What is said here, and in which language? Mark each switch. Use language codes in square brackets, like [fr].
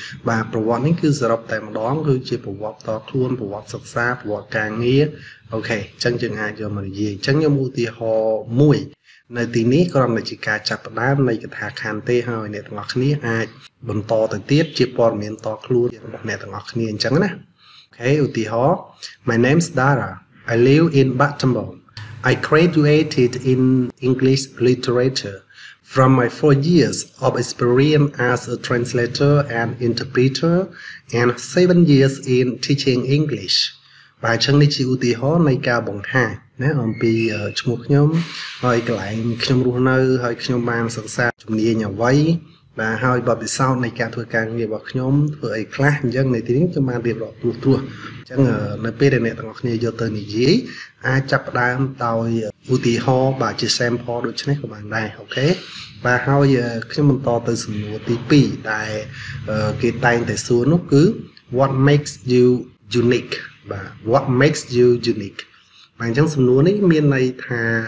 [km] បាទប្រវត្តិនេះគឺសរុបតែម្ដងគឺជាប្រវត្តិតខ្លួនប្រវត្តិសិក្សាប្រវត្តិការងារអូខេអញ្ចឹងយើងអាចយកមកនិយាយអញ្ចឹងខ្ញុំឧទាហរណ៍មួយនៅទីនេះក្រុមនៃការចាប់ផ្ដើមនៃកថាខណ្ឌទេហើយអ្នកទាំងអស់គ្នាអាចបន្តទៅទៀតជាព័ត៌មានតខ្លួនរបស់អ្នកទាំងអស់គ្នាអញ្ចឹងណាអូខេឧទាហរណ៍ [en] My name is DaraI live in Battambang. I graduated in English literature. From my 4 years of experience as a translator and interpreter and 7 years in teaching English. [km] បាទអញ្ចឹងនេះជាឧទាហរណ៍នៃការបង្ហាញណាអំពីឈ្មោះខ្ញុំហើយកន្លែងខ្ញុំរស់នៅហើយខ្ញុំបានសិក្សាជំនាញអ្វី បាទហើយបទពិសោធន៍នៃការធ្វើការងាររបស់ខ្ញុំធ្វើអីខ្លះអញ្ចឹងនៅទីនេះខ្ញុំបានរៀបរាប់ទូទាស់អញ្ចឹងនៅពេលដែលអ្នកទាំងអស់គ្នាយកទៅនិយាយអាចចាប់ផ្ដើមដោយឧទាហរណ៍បាទជា sample ដូចនេះក៏បានដែរអូខេបាទហើយខ្ញុំបន្តទៅសំណួរទី2ដែលគេតែងតែសួរនោះគឺ [en] What makes you unique [km] បាទ What makes you unique បាទអញ្ចឹងសំណួរនេះមានន័យថា